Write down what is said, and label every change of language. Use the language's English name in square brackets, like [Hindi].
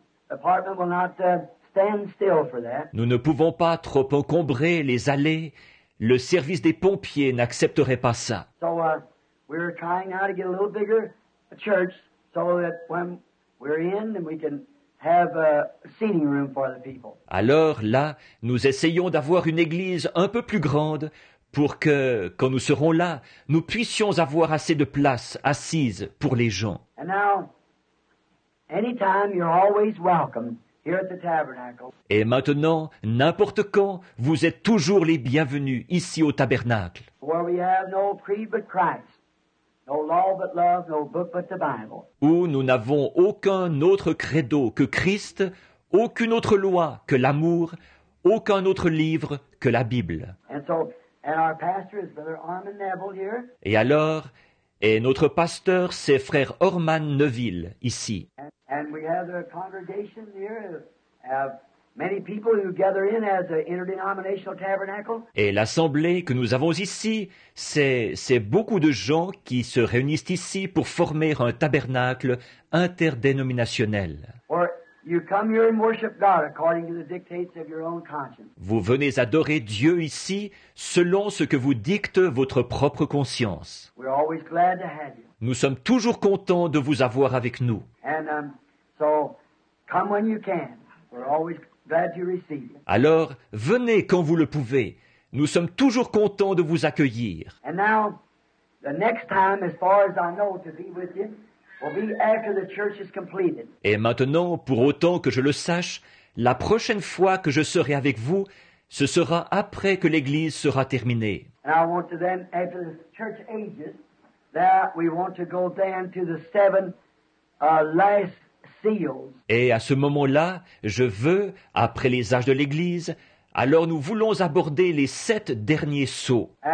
[English] Apartment will not stand still for that. [French] Nous ne pouvons pas trop encombrer les allées. Le service des pompiers n'accepterait pas ça. [English] So we're trying now to get a little bigger a church so that when we're in and we can have a seating room for the people. [French] Alors là, nous essayons d'avoir une église un peu plus grande pour que, quand nous serons là, nous puissions avoir assez de place assise pour les gens. [English] And now, anytime, you're always welcome here at the tabernacle. [French] Et maintenant, n'importe quand, vous êtes toujours les bienvenus ici au tabernacle. [English] Where we have no creed but Christ. No law but love, no book but the Bible. [French] Où nous n'avons aucun autre credo que Christ, aucune autre loi que l'amour, aucun autre livre que la Bible. [English] And so And our pastor is Brother Armand Neville here. [French] Et alors, et notre pasteur, c'est Frère Orman Neville, ici. [English] And we have a congregation here, have many people who gather in as an interdenominational tabernacle. [French] Et l'assemblée que nous avons ici, c'est beaucoup de gens qui se réunissent ici pour former un tabernacle interdénominationnel. [English] Or you come here and worship God according to the dictates of your own conscience. [French] Vous venez adorer Dieu ici selon ce que vous dicte votre propre conscience. [English] We're always glad to have you. [French] Nous sommes toujours contents de vous avoir avec nous. [English] And so come when you can. We're always glad to receive you. [French] Alors, venez quand vous le pouvez. Nous sommes toujours contents de vous accueillir. [English] And now, the next time, as far as I know, to be with you, will be after the church is completed. [French] Et maintenant, pour autant que je le sache, la prochaine fois que je serai avec vous, ce sera après que l'église sera terminée. [English] And I want to then, after the church ages, that we want to go then to the seven last. [French] Et à ce moment-là, je veux, après les âges de l'Église, alors nous voulons aborder les sept derniers sceaux.